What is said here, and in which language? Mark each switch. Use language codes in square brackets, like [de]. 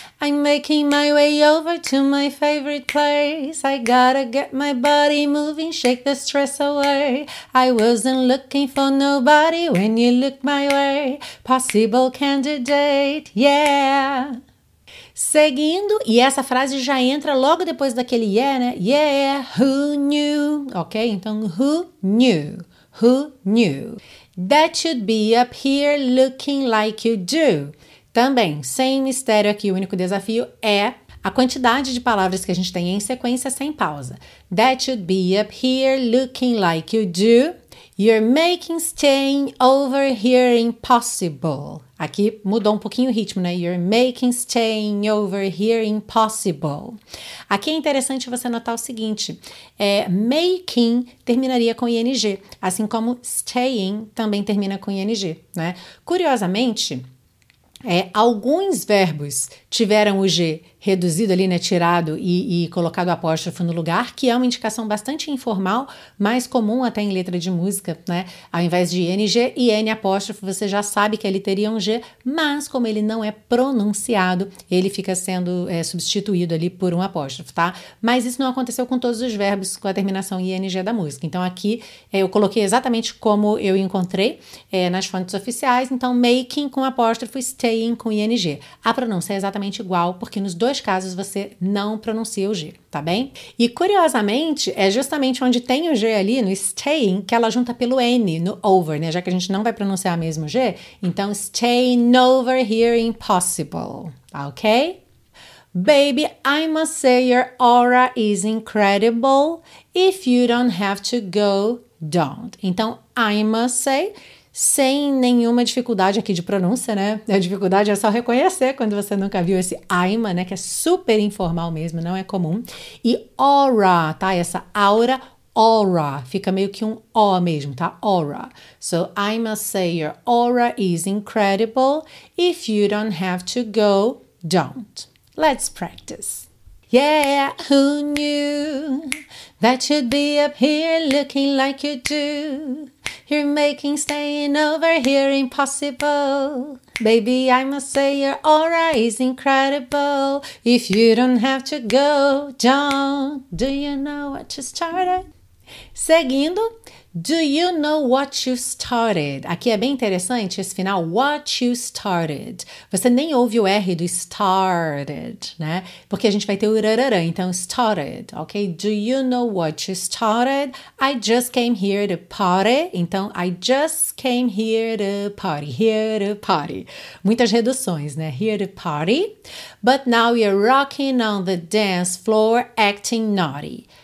[en] I'm making my way over to my favorite place. I gotta get my body moving, shake the stress away. I wasn't looking for nobody when you looked my way. Possible candidate, yeah. [pt] Seguindo, e essa frase já entra logo depois daquele yeah, né? [en] Yeah, who knew? Ok, então who knew? Who knew? That you'd be up here looking like you do. [pt] Também, sem mistério aqui, o único desafio é a quantidade de palavras que a gente tem em sequência sem pausa. [en] That you'd be up here looking like you do. You're making staying over here impossible. [pt] Aqui mudou um pouquinho o ritmo, né? [en] You're making staying over here impossible. [pt] Aqui é interessante você notar o seguinte. É, making terminaria com ing, assim como staying também termina com ing, né? Curiosamente, alguns verbos tiveram o G reduzido ali, né, tirado e colocado apóstrofo no lugar, que é uma indicação bastante informal, mais comum até em letra de música, né? Ao invés de NG e N apóstrofo, você já sabe que ele teria um G, mas como ele não é pronunciado, ele fica sendo substituído ali por um apóstrofo, tá? Mas isso não aconteceu com todos os verbos com a terminação ING da música. Então aqui eu coloquei exatamente como eu encontrei nas fontes oficiais, então making com apóstrofo, staying com ING. A pronúncia é exatamente igual, porque nos dois casos você não pronuncia o G, tá bem? E curiosamente, é justamente onde tem o G ali, no staying, que ela junta pelo N, no over, né? Já que a gente não vai pronunciar mesmo G, então [en] staying over here impossible, [pt] ok? [en] Baby, I must say your aura is incredible. If you don't have to go, don't. [pt] Então, [en] I must say, [pt] sem nenhuma dificuldade aqui de pronúncia, né? A dificuldade é só reconhecer quando você nunca viu esse aima, né? Que é super informal mesmo, não é comum. E aura, tá? Essa aura, aura. Fica meio que um O mesmo, tá? Aura. [en] So, I must say your aura is incredible. If you don't have to go, don't. Let's practice. Yeah, who knew that you'd be up here looking like you do? You're making staying over here impossible. Baby, I must say your aura is incredible. If you don't have to go, don't. Do you know what you started? Seguindo, do you know what you started? [pt] Aqui é bem interessante esse final, [en] what you started. [pt] Você nem ouve o R do started, né? Porque a gente vai ter o rararã, então started, ok? [en] Do you know what you started? I just came here to party. Então, I just came here to party, here to party. [pt] Muitas reduções, né? [en] Here to party. But now you're rocking on the dance floor, acting naughty.